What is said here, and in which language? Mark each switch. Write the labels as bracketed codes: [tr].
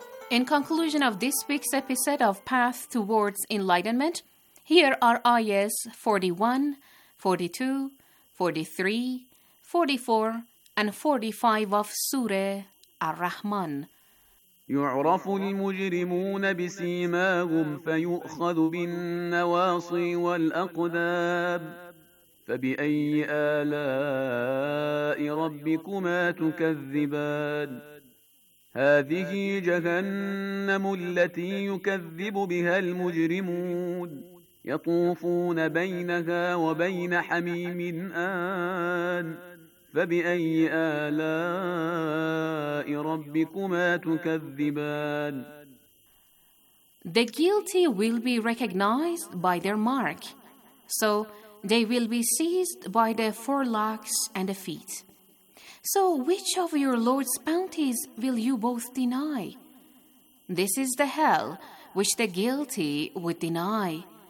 [en] In conclusion of this week's episode of Path Towards Enlightenment, here are ayahs 41, 42, 43, 44, and 45 of Surah Ar-Rahman. [ar] يعرف المجرمون بسيماهم فيؤخذ بالنواصي والأقدام فبأي آلاء ربكما تكذبان هذه جهنم التي يكذب بها المجرمون يطوفون بينها وبين حميم آن فبأي آلاء ربكما تكذبان [en] The guilty will be recognized by their mark, so they will be seized by the forelocks and the feet. So which of your Lord's bounties will you both deny? This is the hell which the guilty would deny.